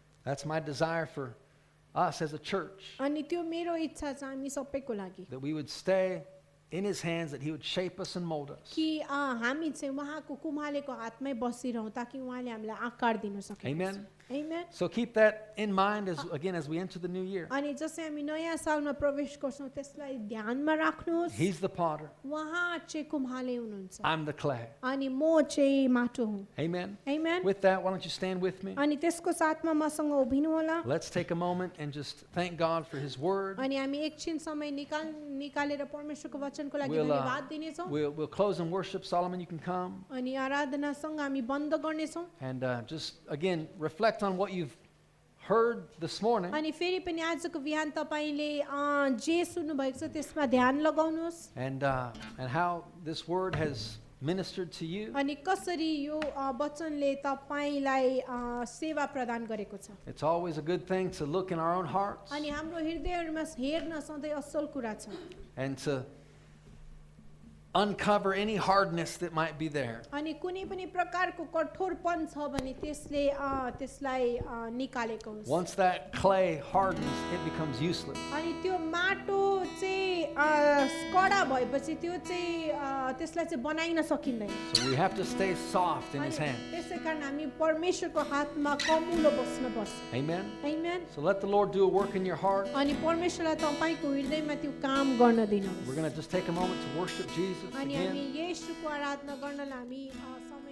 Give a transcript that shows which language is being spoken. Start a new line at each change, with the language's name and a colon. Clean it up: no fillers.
English: That's my desire for us as a church. That we would stay in his hands, that he would shape us and mold us. Amen. Amen. Amen. So keep that in mind as again as we enter the new year.
Nepali: अनि जसै हामी नयाँ सालमा प्रवेश गर्छौं त्यसलाई ध्यानमा राख्नुहोस्.
English: He's the potter.
Nepali: वहाँ चाहिँ कुम्हारले हुनुहुन्छ.
English: I'm the clay.
Nepali: अनि म चाहिँ माटो हुँ.
English: Amen. Amen. With that, why don't you stand with me?
Nepali: अनि त्यसको साथमा मसँग उभिनु होला.
English: Let's take a moment and just thank God for his word.
Nepali: अनि हामी एकछिन समय निकालेर परमेश्वरको वचनको लागि धन्यवाद दिने छौं.
English: We'll close in worship. Solomon, you can come.
Nepali: अनि आराधना सँग हामी बन्द गर्नेछौं.
English: And just again reflect on what you've heard this morning.
Nepali: अनि फेरि पनि आजको बिहान तपाईले जे सुन्नु भएको छ त्यसमा ध्यान लगाउनुस्.
English: And how this word has ministered to you.
Nepali: अनि कसरी यो वचनले तपाईलाई सेवा प्रदान गरेको छ.
English: It's always a good thing to look in our own hearts.
Nepali: अनि हाम्रो हृदयहरुमा हेर्न सधैं असल कुरा छ.
English: And to uncover any hardness that might be there.
Nepali: अनि कुनै पनि प्रकारको कठोरपन छ भने त्यसले त्यसलाई निकालेको हुन्छ.
English: Once that clay hardens, it becomes useless.
Nepali: अनि त्यो माटो चाहिँ कडा भएपछि त्यो चाहिँ त्यसलाई चाहिँ बनाइन सकिँदैन.
English: So we have to stay soft in his hand.
Nepali: त्यसकारण हामी परमेश्वरको हातमा कमुलो बस्न पर्छ.
English: Amen. Amen. So let the Lord do a work in your heart.
Nepali: अनि परमेश्वरले तपाईको हृदयमा त्यो काम गर्न दिनुहोस्.
English: We're going to just take a moment to worship Jesus.
Nepali: अनि हामी यीशुको आराधना गर्नलाई हामी